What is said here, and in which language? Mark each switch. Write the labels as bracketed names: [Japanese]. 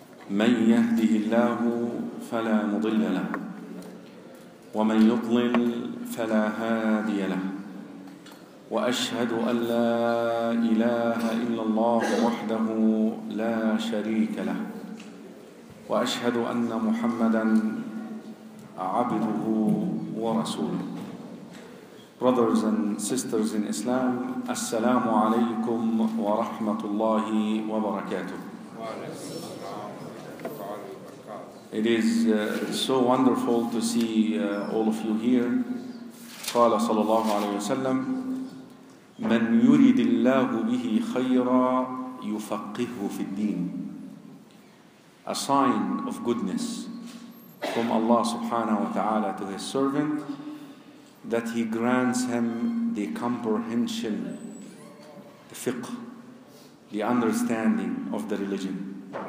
[Arabic] من يهده الله فلا مضل له ومن يضلل فلا هادي له، وأشهد أن لا إله إلا الله وحده لا شريك له، وأشهد أن محمدًا عبده ورسوله. [English] Brothers and sisters in Islam, [Arabic] السلام عليكم ورحمة الله وبركاته. [English] It is so wonderful to see all of you here. [Arabic] قال صلى الله عليه وسلم من يريد الله به خيرا يفقهه في الدين. [English] A sign of goodness from Allah subhanahu wa ta'ala to His servant that He grants him the comprehension, the fiqh, the understanding of the religion.